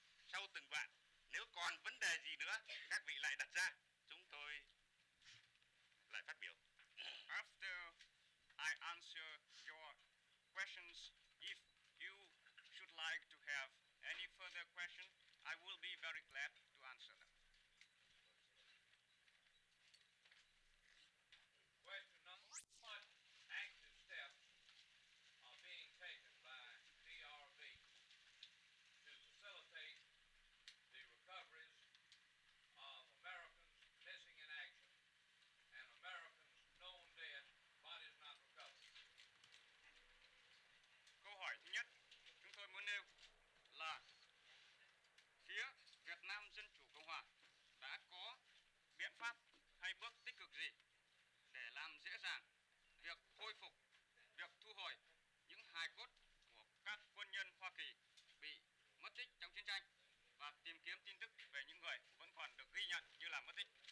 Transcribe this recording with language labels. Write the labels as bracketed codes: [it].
[vi] Sau từng đoạn, nếu còn vấn đề gì nữa, các vị lại đặt ra. Chúng tôi lại phát biểu. [en] After I answer your questions, if you should like to have any further question, I will be very glad to answer them. Question number one. What active steps are being taken by DRV to facilitate the recoveries of America missing in action, and Americans known dead, bodies not recovered? [vi] Câu hỏi thứ nhất chúng tôi muốn nêu là phía Việt Nam Dân Chủ Cộng Hòa đã có biện pháp hay bước tích cực gì để làm dễ dàng việc khôi phục, việc thu hồi những hài cốt của các quân nhân Hoa Kỳ bị mất tích trong chiến tranh, và tìm kiếm tin tức về những người vẫn còn được ghi nhận như là mất tích.